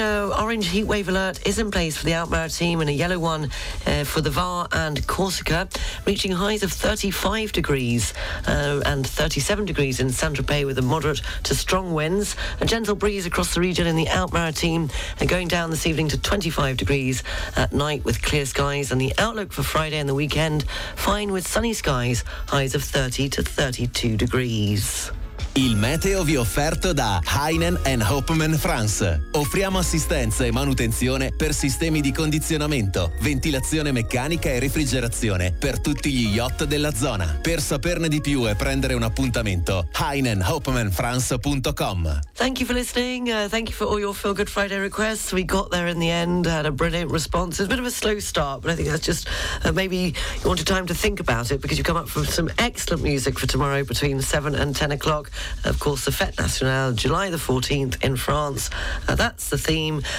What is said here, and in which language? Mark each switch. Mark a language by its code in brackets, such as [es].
[en] Orange heatwave alert is in place for the Outmarrow team, and a yellow one for the Var and Corsica, reaching highs of 35 degrees and 37 degrees in Saint-Tropez, with a moderate to strong winds. A gentle breeze across the region in the Outmarrow team, and going down this evening to 25 degrees at night with clear skies. And the outlook for Friday and the weekend, fine with sunny skies, highs of 30 to 32 degrees. [it] Il meteo vi offerto da Heinen and Hopman France. Offriamo assistenza e manutenzione per sistemi di condizionamento, ventilazione meccanica e refrigerazione per tutti gli yacht della zona. Per saperne di più e prendere un appuntamento, heinenhopmanfrance.com. [en] Thank you for listening. Thank you for all your Feel Good Friday requests. We got there in the end, had a brilliant response. It's a bit of a slow start, but I think that's just maybe you wanted time to think about it, because you come up with some excellent music for tomorrow between 7 and 10 o'clock. Of course, the Fête Nationale, July the 14th in France. That's the theme.